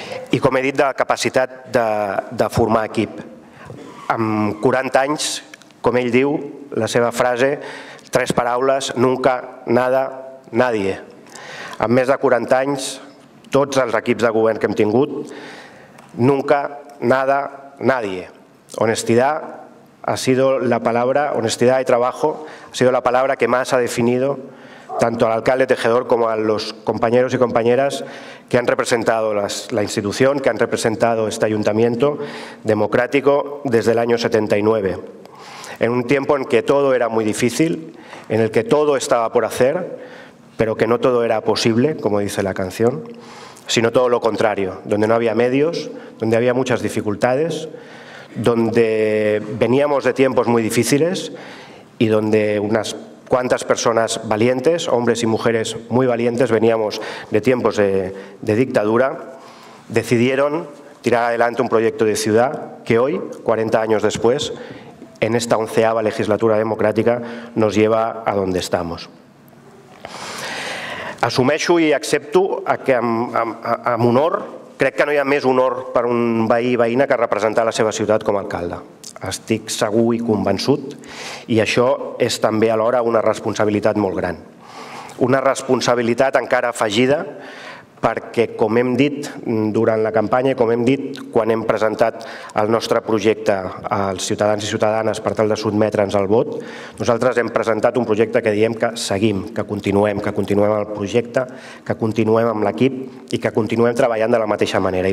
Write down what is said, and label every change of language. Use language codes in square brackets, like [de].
[ca] I com he dit, de la capacitat de formar equip. Amb 40 anys, com ell diu, la seva frase, tres paraules, [es] nunca, nada, nadie. [ca] Amb més de 40 anys, tots els equips de govern que hem tingut, [es] nunca, nada, nadie. Honestidad, ha sido la palabra, honestidad y trabajo, ha sido la palabra que más ha definido tanto al alcalde Tejedor como a los compañeros y compañeras que han representado la institución, que han representado este ayuntamiento democrático desde el año 79. En un tiempo en que todo era muy difícil, en el que todo estaba por hacer, pero que no todo era posible, como dice la canción, sino todo lo contrario, donde no había medios, donde había muchas dificultades, donde veníamos de tiempos muy difíciles y donde unas cuantas personas valientes, hombres y mujeres muy valientes, veníamos de tiempos de dictadura, decidieron tirar adelante un proyecto de ciudad que hoy, 40 años después, en esta 11ª legislatura democrática, nos lleva a donde estamos. [ca] Assumeixo i accepto que amb honor, crec que no hi ha més honor per un veí i veïna que representar la seva ciutat com a alcalde. Estic segur i convençut, i això és també alhora una responsabilitat molt gran. Una responsabilitat encara afegida perquè, com hem dit durant la campanya, com hem dit quan hem presentat el nostre projecte als ciutadans i ciutadanes per tal de sotmetre'ns al vot, nosaltres hem presentat un projecte que diem que seguim, que continuem el projecte, que continuem amb l'equip i que continuem treballant de la mateixa manera.